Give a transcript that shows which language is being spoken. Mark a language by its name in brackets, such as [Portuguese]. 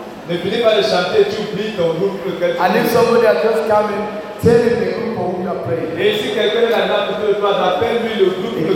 [French] Ne finis pas de chanter, tu oublies ton groupe. [English] And if somebody has just come in, tell him the group for whom you are praying. [French] Et si quelqu'un est là, tu peux pas appeler le groupe.